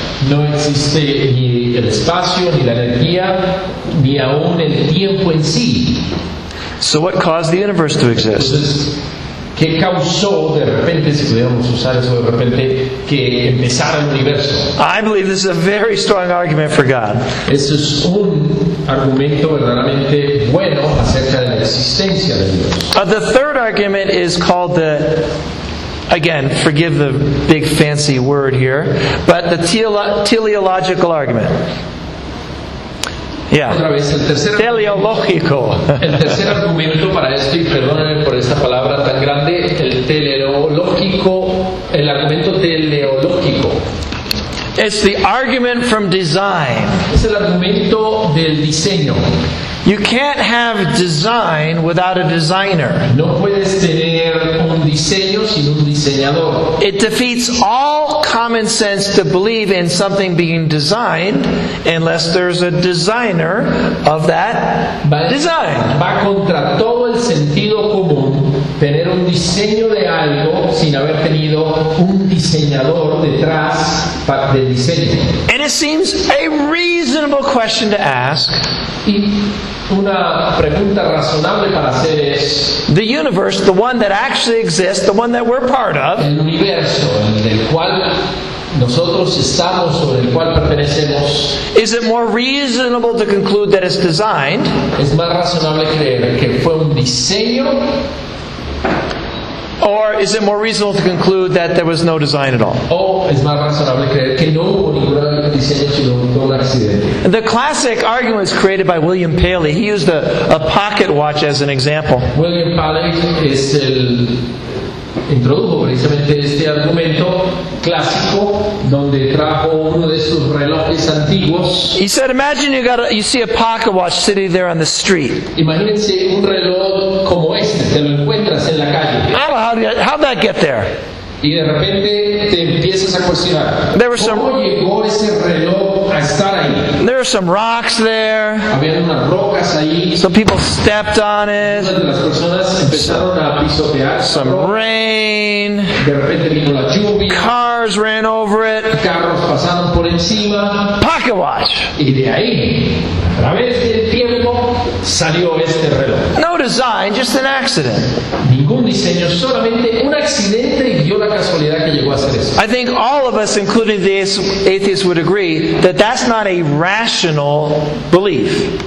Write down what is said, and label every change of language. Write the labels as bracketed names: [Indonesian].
[Spanish] No existe ni el espacio, ni la energía, ni aún el tiempo en sí. [English] So what caused the universe to exist? [Spanish] Entonces, ¿qué causó de repente, si pudiéramos usar eso de repente, que empezara el universo? [English] I believe this is a very strong argument for God. [Spanish] Esto es un argumento verdaderamente bueno acerca de la existencia de Dios. [English] The third argument is called the, again, forgive the big fancy word here, but the teleological argument. Yeah. [Spanish] Otra vez, el tercer teleológico. Argumento, el tercer argumento para esto, y perdónenme por esta palabra tan grande, el teleológico, el argumento teleológico. [English] It's the argument from design. [Spanish] Es el argumento del diseño. [English] You can't have design without a designer. [Spanish] No puedes tener un diseño sin un diseñador. [English] It defeats all common sense to believe in something being designed unless there's a designer of that design. [Spanish] Va contra todo el sentido común tener un diseño de algo sin haber tenido un diseñador detrás del diseño. [English] And it seems a reasonable question to ask. [Spanish] Una pregunta razonable para hacer es, [English] the universe, the one that actually exists, the one that we're part of, [Spanish] el universo en el cual nosotros estamos o del cual pertenecemos, [English] is it more reasonable to conclude that it's designed? [Spanish] ¿Es más razonable creer que fue un diseño? [English] Or is it more reasonable to conclude that there was no design at all? [Spanish] Oh, es más razonable creer que no hubo ningún diseño sino un accidente. [English] The classic argument is created by William Paley. He used a pocket watch as an example. [Spanish] William Paley es el introdujo precisamente este argumento clásico donde trajo uno de sus relojes antiguos. [English] He said, imagine you got a, you see a pocket watch sitting there on the street. [Spanish] Imagínense un reloj como este, te lo encuentras en la calle. [English] How'd that get there? [Spanish] Y de repente te empiezas a cuestionar. [English] There were some, [Spanish] ¿cómo llegó ese reloj a estar ahí? [English] There were some rocks there. [Spanish] Habían unas rocas ahí. [English] Some people stepped on it. [Spanish] Las personas empezaron a pisotear. [English] Some rain. [Spanish] De repente vino la lluvia. [English] Cars ran over it. [Spanish] Carros pasaron por encima. [English] Pocket watch. [Spanish] Y de ahí, a través del tiempo, salió este reloj. [English] No design, just an accident. [Spanish] Ningún diseño, solamente un accidente y dio la casualidad que llegó a hacer eso. [English] I think all of us, including the atheists, would agree that that's not a rational belief.